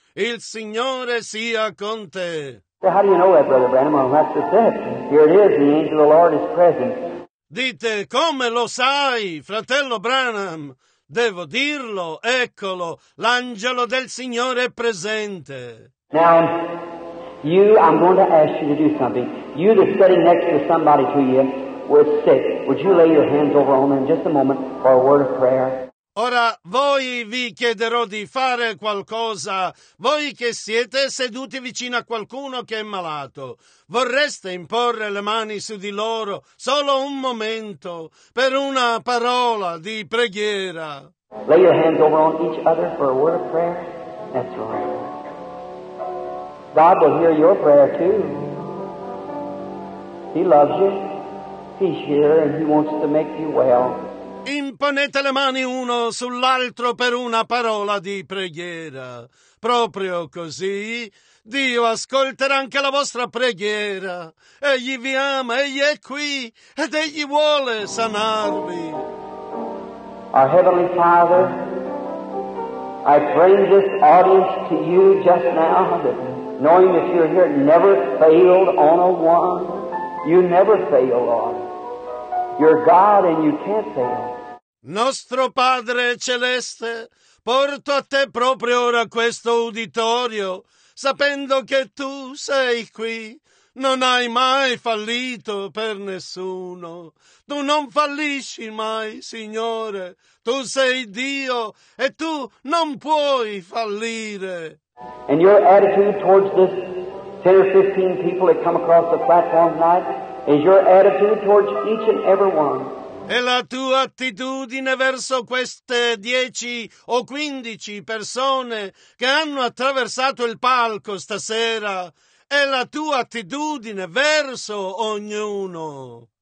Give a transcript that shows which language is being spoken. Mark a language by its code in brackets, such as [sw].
[it] Il Signore sia con te. [en] Well, how do you know that, Brother Branham? Well, that's just it. Here it is, the angel of the Lord is present. [it] Dite, come lo sai, fratello Branham? Devo dirlo, eccolo, l'angelo del Signore è presente. [en] Now, you, I'm going to ask you to do something. You that's sitting next to somebody to you with sick, would you lay your hands over on them just a moment for a word of prayer? [it] Ora, voi vi chiederò di fare qualcosa. Voi che siete seduti vicino a qualcuno che è malato, vorreste imporre le mani su di loro solo un momento per una parola di preghiera? [en] Lay your hands over on each other for a word of prayer. That's right. God will hear your prayer too. He loves you. He's here and He wants to make you well. [it] Imponete le mani uno sull'altro per una parola di preghiera. Proprio così, Dio ascolterà anche la vostra preghiera. Egli vi ama, Egli è qui, ed Egli vuole sanarvi. [en] Our Heavenly Father, I bring this audience to you just now, that knowing that you're here, never failed on a one. You never fail on. You're God and you can't fail. [it] Nostro Padre Celeste, porto a te proprio ora questo uditorio, sapendo che tu sei qui, non hai mai fallito per nessuno. Tu non fallisci mai, Signore, tu sei Dio e tu non puoi fallire. [en] And your attitude towards this 10 or 15 people that come across the platform tonight is your attitude towards each and every one. [it] E la tua attitudine verso queste 10 o 15 persone che hanno attraversato il palco stasera è la tua attitudine verso ognuno.